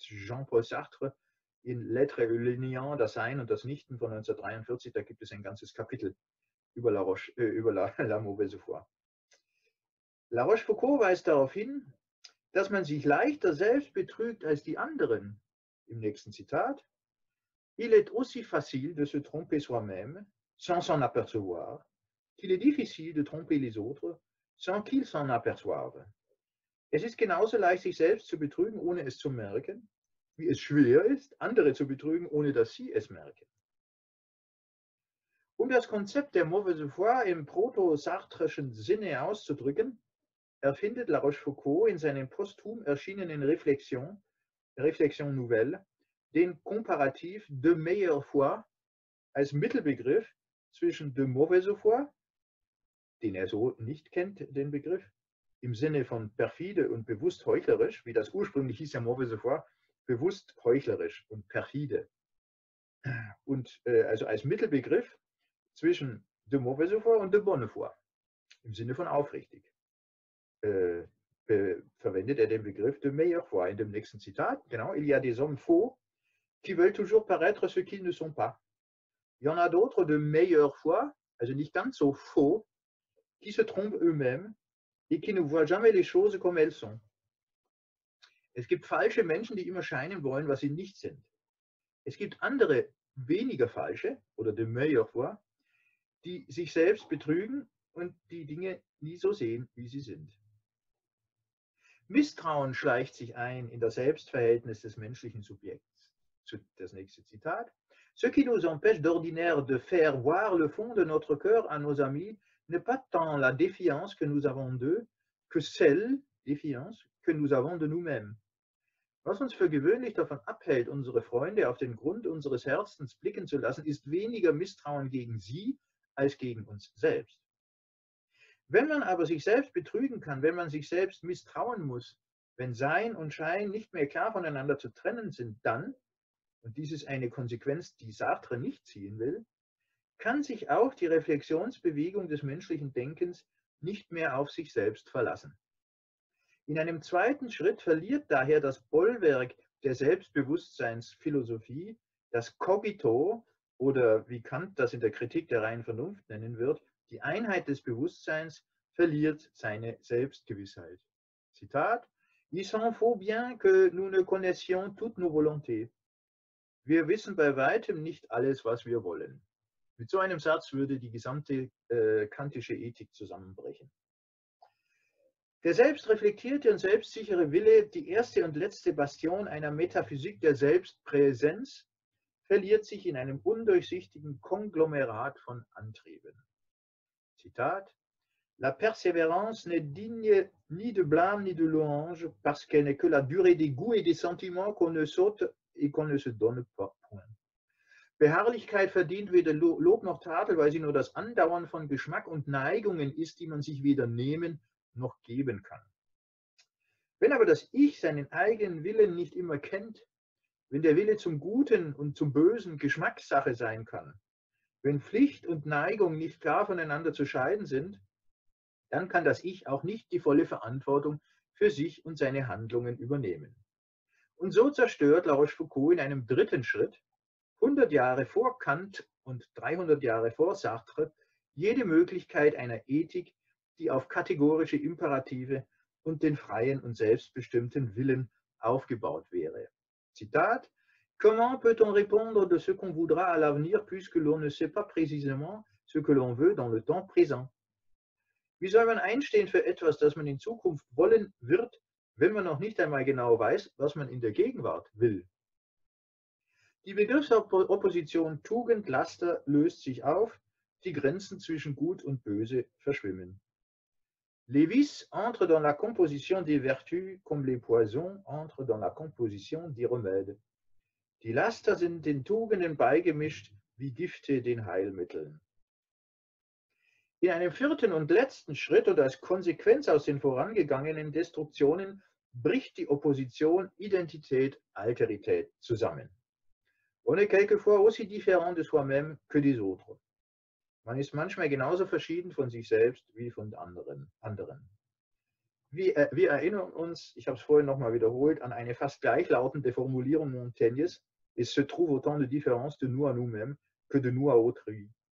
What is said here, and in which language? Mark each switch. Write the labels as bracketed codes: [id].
[de] Jean-Paul Sartre in Lettres et Lignons, das Sein und das Nichten von 1943, da gibt es ein ganzes Kapitel über La mauvaise foi. La Rochefoucauld weist darauf hin, dass man sich leichter selbst betrügt als die anderen. Im nächsten Zitat: [fr] Il est aussi facile de se tromper soi-même sans s'en apercevoir, qu'il est difficile de tromper les autres sans qu'ils s'en aperçoivent. [de] Es ist genauso leicht, sich selbst zu betrügen, ohne es zu merken, wie es schwer ist, andere zu betrügen, ohne dass sie es merken. Um das Konzept der mauvaise foi im proto-sartreschen Sinne auszudrücken, erfindet La Rochefoucauld in seinem posthum erschienenen Réflexion nouvelle, den Komparativ de meilleure foi als Mittelbegriff zwischen de mauvaise foi, den er so nicht kennt, den Begriff, im Sinne von perfide und bewusst heuchlerisch, wie das ursprünglich hieß ja mauvaise foi, bewusst heuchlerisch und perfide. Und also als Mittelbegriff zwischen de mauvaise foi und de bonne foi, im Sinne von aufrichtig, verwendet er den Begriff de meilleure foi in dem nächsten Zitat. Genau, [fr] il y a des hommes faux qui veulent toujours paraître ce qu'ils ne sont pas. Il y en a d'autres de meilleure foi, [de] also nicht ganz so [fr] faux, qui se trompent eux-mêmes et qui ne voient jamais les choses comme elles sont. [de] Es gibt falsche Menschen, die immer scheinen wollen, was sie nicht sind. Es gibt andere, weniger falsche, oder de meilleure foi, die sich selbst betrügen und die Dinge nie so sehen, wie sie sind. Misstrauen schleicht sich ein in das Selbstverhältnis des menschlichen Subjekts. Das nächste Zitat. [fr] Ce qui nous empêche d'ordinaire de faire voir le fond de notre cœur à nos amis n'est pas tant la défiance que nous avons d'eux que celle, défiance, que nous avons de nous-mêmes. [de] Was uns für gewöhnlich davon abhält, unsere Freunde auf den Grund unseres Herzens blicken zu lassen, ist weniger Misstrauen gegen sie als gegen uns selbst. Wenn man aber sich selbst betrügen kann, wenn man sich selbst misstrauen muss, wenn Sein und Schein nicht mehr klar voneinander zu trennen sind, dann, und dies ist eine Konsequenz, die Sartre nicht ziehen will, kann sich auch die Reflexionsbewegung des menschlichen Denkens nicht mehr auf sich selbst verlassen. In einem zweiten Schritt verliert daher das Bollwerk der Selbstbewusstseinsphilosophie, das Cogito oder wie Kant das in der Kritik der reinen Vernunft nennen wird, die Einheit des Bewusstseins verliert seine Selbstgewissheit. [fr] Zitat, il s'en faut bien que nous ne connaissions toutes nos volontés. [de] Wir wissen bei weitem nicht alles, was wir wollen. Mit so einem Satz würde die gesamte kantische Ethik zusammenbrechen. Der selbstreflektierte und selbstsichere Wille, die erste und letzte Bastion einer Metaphysik der Selbstpräsenz, verliert sich in einem undurchsichtigen Konglomerat von Antrieben. [fr] Zitat, la persévérance n'est digne ni de blâme ni de louange, parce qu'elle n'est que la durée des goûts et des sentiments qu'on ne saute et qu'on ne se donne pas. [de] Beharrlichkeit verdient weder Lob noch Tadel, weil sie nur das Andauern von Geschmack und Neigungen ist, die man sich weder nehmen noch geben kann. Wenn aber das Ich seinen eigenen Willen nicht immer kennt, wenn der Wille zum Guten und zum Bösen Geschmackssache sein kann, wenn Pflicht und Neigung nicht klar voneinander zu scheiden sind, dann kann das Ich auch nicht die volle Verantwortung für sich und seine Handlungen übernehmen. Und so zerstört La Rochefoucauld in einem dritten Schritt, 100 Jahre vor Kant und 300 Jahre vor Sartre, jede Möglichkeit einer Ethik, die auf kategorische Imperative und den freien und selbstbestimmten Willen aufgebaut wäre. [fr] Zitat, comment peut-on répondre de ce qu'on voudra à l'avenir, puisque l'on ne sait pas précisément ce que l'on veut dans le temps présent? [de] Wie soll man einstehen für etwas, das man in Zukunft wollen wird, wenn man noch nicht einmal genau weiß, was man in der Gegenwart will? Die Begriffsopposition Tugend-Laster löst sich auf, die Grenzen zwischen Gut und Böse verschwimmen. [fr] Lévis entre dans la composition des vertus comme les poisons entre dans la composition des remèdes. [de] Die Laster sind den Tugenden beigemischt, wie Gifte den Heilmitteln. In einem vierten und letzten Schritt und als Konsequenz aus den vorangegangenen Destruktionen bricht die Opposition Identität-Alterität zusammen. [fr] On est quelquefois aussi différent de soi-même que des autres. [de] Man ist manchmal genauso verschieden von sich selbst wie von anderen. Wir erinnern uns, ich habe es vorhin nochmal wiederholt, an eine fast gleichlautende Formulierung Montaignes, [fr] il se trouve autant de différence de nous à nous-mêmes que de nous à autrui.